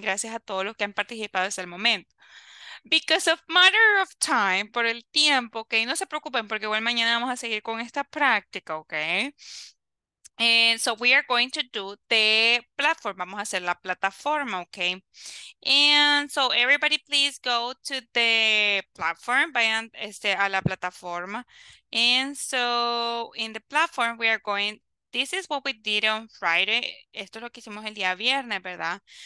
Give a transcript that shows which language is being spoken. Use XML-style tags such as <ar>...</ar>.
<es>Gracias a todos los que han participado hasta el momento.</es> <en>Because of matter of time,</en> <es>por el tiempo, ¿ok? No se preocupen, porque igual mañana vamos a seguir con esta práctica, ¿ok?</es> <en>And so we are going to do the platform.</en> <es>Vamos a hacer la plataforma,</es> <en>okay? And so everybody please go to the platform,</en> <es>vayan a la plataforma.</es> <en>And so in the platform we are going, this is what we did on Friday.</en> <es>Esto es lo que hicimos el día viernes, ¿verdad?</es>